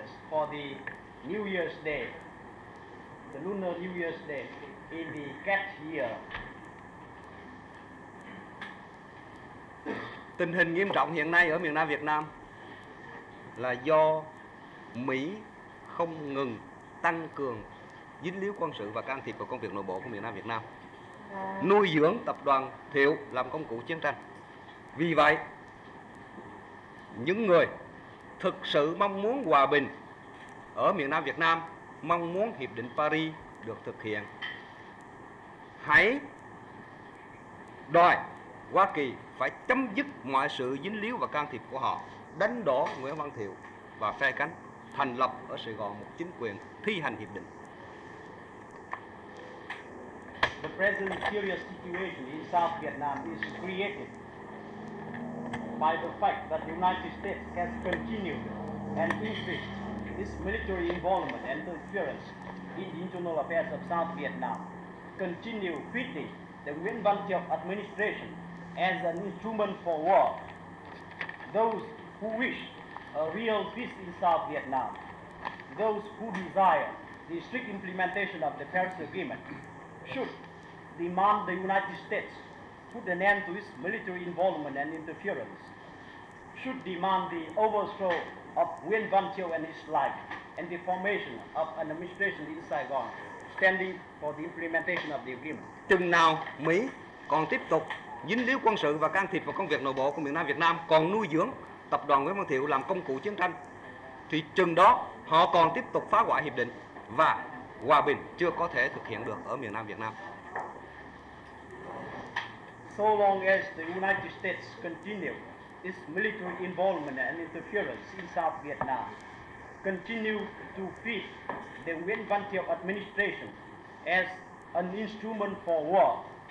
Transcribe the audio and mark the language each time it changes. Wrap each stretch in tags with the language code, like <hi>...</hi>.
<en>For the New Year's Day, the Lunar New Year's Day in the cat year.</en> <vi>Tình hình nghiêm trọng hiện nay ở miền Nam Việt Nam là do Mỹ không ngừng tăng cường dính líu quân sự và can thiệp vào công việc nội bộ của miền Nam Việt Nam, nuôi dưỡng tập đoàn Thiệu làm công cụ chiến tranh. Vì vậy, những người thực sự mong muốn hòa bình ở miền Nam Việt Nam, mong muốn Hiệp định Paris được thực hiện, hãy đòi Hoa Kỳ phải chấm dứt mọi sự dính líu và can thiệp của họ, đánh đổ Nguyễn Văn Thiệu và phe cánh, thành lập ở Sài Gòn một chính quyền thi hành hiệp định.</vi> <en>The present serious situation in South Vietnam is created by the fact that the United States has continued and increased this military involvement and interference in the internal affairs of South Vietnam, continue treating the Nguyễn Văn Thiệu administration as an instrument for war. Those who wish a real peace in South Vietnam, those who desire the strict implementation of the Paris Agreement, should demand the United States put an end to its military involvement and interference, should demand the overthrow of Nguyễn Văn Thiệu and his like, and the formation of an administration in Saigon standing for the implementation of the agreement.</en> <vi>Chừng nào Mỹ còn tiếp tục dính líu quân sự và can thiệp vào công việc nội bộ của miền Nam Việt Nam, còn nuôi dưỡng tập đoàn Nguyễn Văn Thiệu làm công cụ chiến tranh, thì chừng đó họ còn tiếp tục phá hoại hiệp định và hòa bình chưa có thể thực hiện được ở miền Nam Việt Nam.</vi> <en>So long as the United States continue its military involvement and interference in South Vietnam, continue to fit the Nguyễn Văn Thiệu administration as an instrument for war.</en>